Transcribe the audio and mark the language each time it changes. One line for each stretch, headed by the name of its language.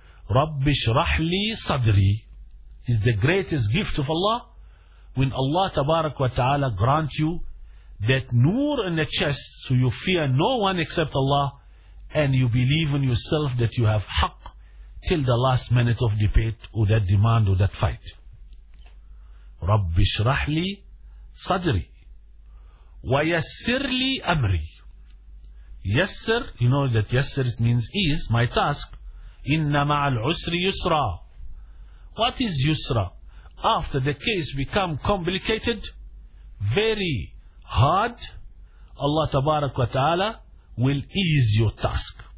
Arabic: رب شرح لي صدري
English: is the greatest gift of Allah. When Allah tabarak wa ta'ala grant you that nur in the chest, so you fear no one except Allah, and you believe in yourself that you have haqq till the last minute of debate or that demand or that fight.
Arabic: رب شرح لي صدري ويسر لي أمري.
English: يسر, you know that يسر it means ease, my task.
Arabic: إن مع العسر يسرى.
English: What is يسرى? After the case become complicated, very hard, Allah تبارك وتعالى will ease your task.